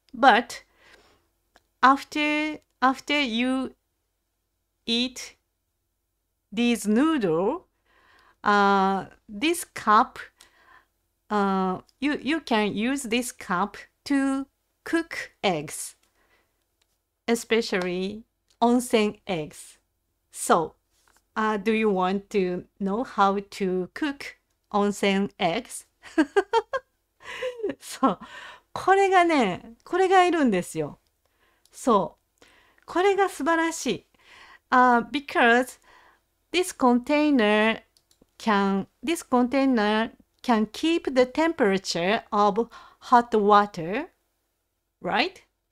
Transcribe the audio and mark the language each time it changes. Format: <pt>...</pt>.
<en>But after you eat this noodle, this cup, you can use this cup to cook eggs, especially onsen eggs. So, do you want to know how to cook onsen eggs?</en> <ja>そう、これがね、これがいるんですよ。そう、これが素晴らしい。</ja> <en>Because this container can keep the temperature of hot water, right?</en>